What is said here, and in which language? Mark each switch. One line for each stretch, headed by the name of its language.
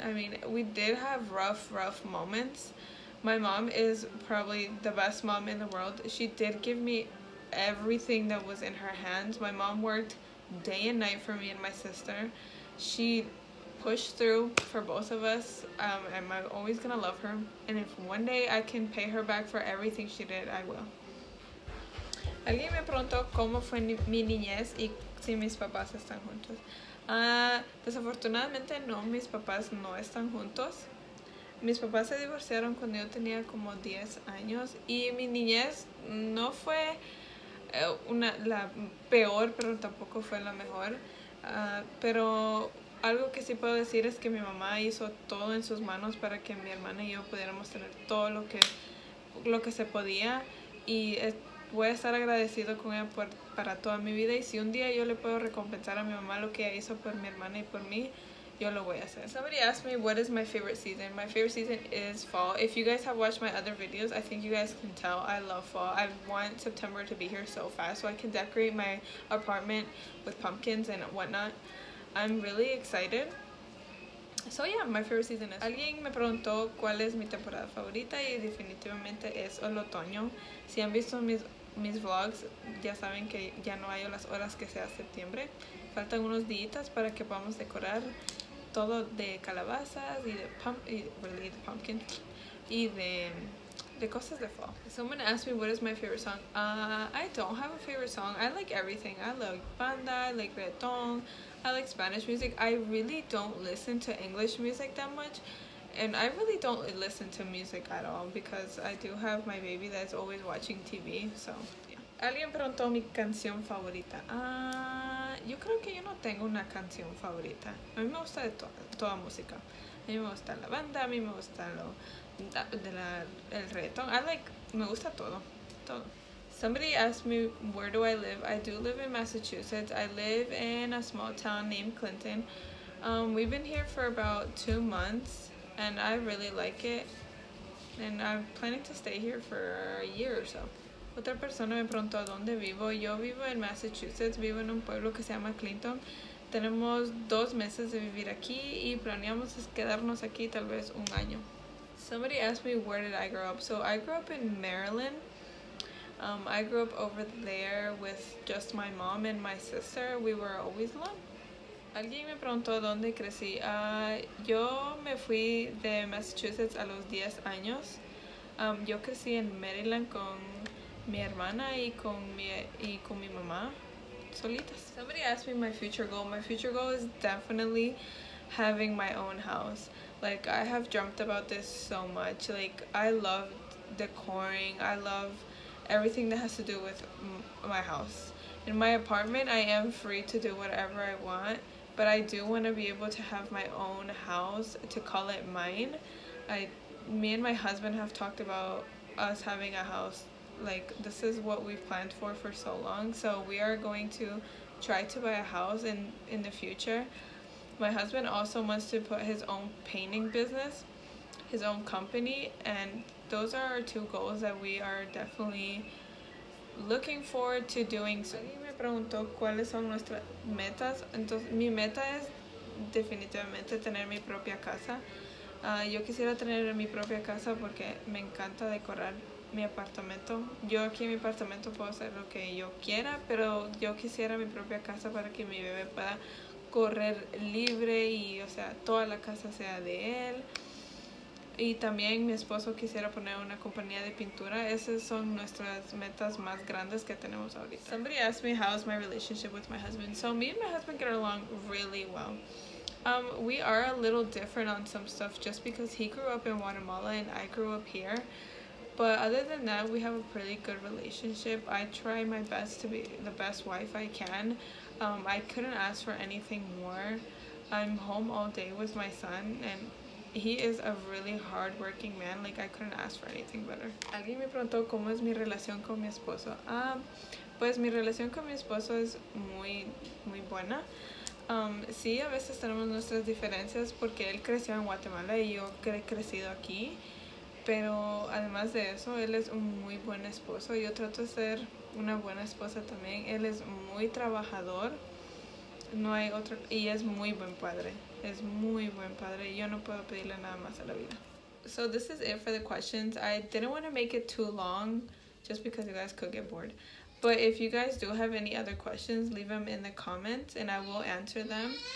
English: I mean, we did have rough moments. My mom is probably the best mom in the world. She did give me everything that was in her hands. My mom worked day and night for me and my sister. She pushed through for both of us, and I'm always gonna love her. And if one day I can pay her back for everything she did, I will.
Spanish: Alguien me preguntó cómo fue mi niñez y si mis papás están juntos. Desafortunadamente no, mis papás no están juntos. Mis papás se divorciaron cuando yo tenía como 10 años y mi niñez no fue la peor, pero tampoco fue la mejor. Pero algo que sí puedo decir es que mi mamá hizo todo en sus manos para que mi hermana y yo pudiéramos tener todo lo que se podía y voy a estar agradecido con ella para toda mi vida y si un día yo le puedo recompensar a mi mamá lo que ella hizo por mi hermana y por mí, yo lo voy a hacer.
English: Somebody asked me what is my favorite season. My favorite season is fall. If you guys have watched my other videos, I think you guys can tell I love fall. I want September to be here so fast so I can decorate my apartment with pumpkins and whatnot. I'm really excited. So yeah, my favorite season is.
Spanish: Alguien me preguntó cuál es mi temporada favorita y definitivamente es el otoño. Si han visto mis vlogs, ya saben que ya no hay las horas que sea septiembre. Faltan unos días para que podamos decorar todo de calabazas y de pumpkin y de cosas de fall.
English: Someone asked me what is my favorite song. I don't have a favorite song. I like everything. I like banda, I like reggaeton, I like Spanish music. I really don't listen to English music that much. And I really don't listen to music at all because I do have my baby that's always watching TV. So, yeah.
Spanish: Alguien preguntó mi canción favorita. Yo creo que yo no tengo una canción favorita. A mí me gusta de to toda música. A mí me gusta la banda, a mí me gusta lo de la el reggaeton. Me gusta todo, todo.
English: Somebody asked me where do I live. I do live in Massachusetts. I live in a small town named Clinton. We've been here for about 2 months and I really like it. And I'm planning to stay here for a year or so.
Spanish: Otra persona me preguntó a dónde vivo. Yo vivo en Massachusetts, vivo en un pueblo que se llama Clinton. Tenemos 2 meses de vivir aquí y planeamos quedarnos aquí tal vez un año.
English: Somebody asked me where did I grow up. So I grew up in Maryland. I grew up over there with just my mom and my sister. We were always alone.
Spanish: Alguien me preguntó dónde crecí. Yo me fui de Massachusetts a los 10 años. Yo crecí en Maryland con mi hermana y con mi mamá solitas.
English: Somebody asked me my future goal. My future goal is definitely having my own house. Like, I have dreamt about this so much. Like, I love decoring. I love everything that has to do with my house. In my apartment, I am free to do whatever I want, but I do want to be able to have my own house to call it mine. Me and my husband have talked about us having a house. Like, this is what we've planned for so long. So we are going to try to buy a house in the future. My husband also wants to put his own painting business, his own company, and those are our two goals that we are definitely looking forward to doing soon.
Spanish: Alguien me preguntó cuáles son nuestras metas. Entonces, mi meta es definitivamente tener mi propia casa. Yo quisiera tener mi propia casa porque me encanta decorar mi apartamento. Yo aquí en mi apartamento puedo hacer lo que yo quiera, pero yo quisiera mi propia casa para que mi bebé pueda correr libre y, o sea, toda la casa sea de él. Y también mi esposo quisiera poner una compañía de pintura. Esas son nuestras metas más grandes que tenemos ahorita.
English: Somebody asked me how is my relationship with my husband. So me and my husband get along really well. We are a little different on some stuff just because he grew up in Guatemala and I grew up here. But other than that, we have a pretty good relationship. I try my best to be the best wife I can. I couldn't ask for anything more. I'm home all day with my son and he is a really hard-working man. Like, I couldn't ask for anything better.
Spanish: Alguien me preguntó cómo es mi relación con mi esposo. Pues mi relación con mi esposo es muy, muy buena. Sí, a veces tenemos nuestras diferencias porque él creció en Guatemala y yo he crecido aquí, pero además de eso, él es un muy buen esposo. Yo trato de ser una buena esposa también. Él es muy trabajador, no hay otro, y es muy buen padre. Es muy buen padre y yo no puedo pedirle nada más a la vida.
English: So this is it for the questions. I didn't want to make it too long just because you guys could get bored. But if you guys do have any other questions, leave them in the comments and I will answer them.